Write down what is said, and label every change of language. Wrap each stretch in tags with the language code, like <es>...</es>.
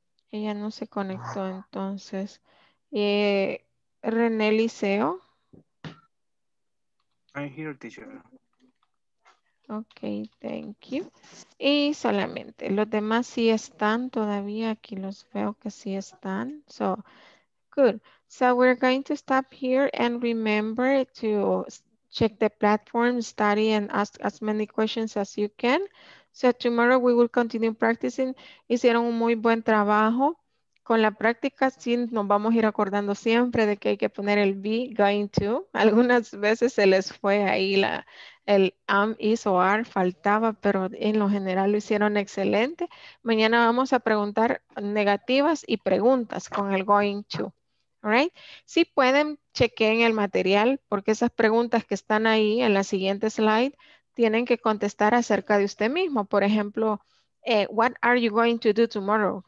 <es>Ella no se conectó entonces. René Liceo.</es> <en>I'm here, teacher. Ok, thank you.</en> <es>Y solamente, los demás sí están todavía, aquí los veo que sí están.</es> <en>So, good. So, we're going to stop here and remember to check the platform, study and ask as many questions as you can. So, tomorrow we will continue practicing.</en> <es>Hicieron un muy buen trabajo. Con la práctica, sí, nos vamos a ir acordando siempre de que hay que poner el be going to. Algunas veces se les fue ahí el am, is o are, faltaba, pero en lo general lo hicieron excelente. Mañana vamos a preguntar negativas y preguntas con el going to.</es> <en>Right?</en> <es>Sí pueden, chequeen el material, porque esas preguntas que están ahí en la siguiente slide tienen que contestar acerca de usted mismo. Por ejemplo,</es> <en>what are you going to do tomorrow?</en>